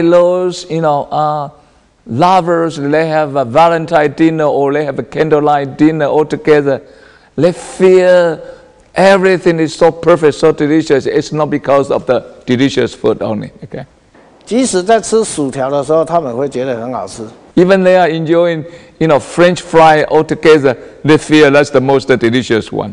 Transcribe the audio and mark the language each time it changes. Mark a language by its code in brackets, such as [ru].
[en] those, you know, lovers, they have a Valentine dinner or they have a candlelight dinner all together, they feel everything is so perfect, so delicious. It's not because of the delicious food only. Okay. [zh] 即使在吃薯条的时候，他们会觉得很好吃。 [en] Even they are enjoying, you know, French fry all together, they feel that's the most delicious one.